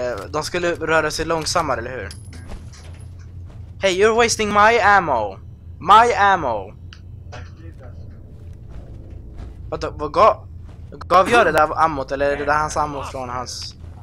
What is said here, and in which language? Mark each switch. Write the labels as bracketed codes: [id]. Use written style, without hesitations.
[sv] De skulle röra sig långsammare, eller hur? [en] Hey, you're wasting my ammo! My ammo! [sv] Vad gav jag det där ammot, eller är det där hans ammo från hans...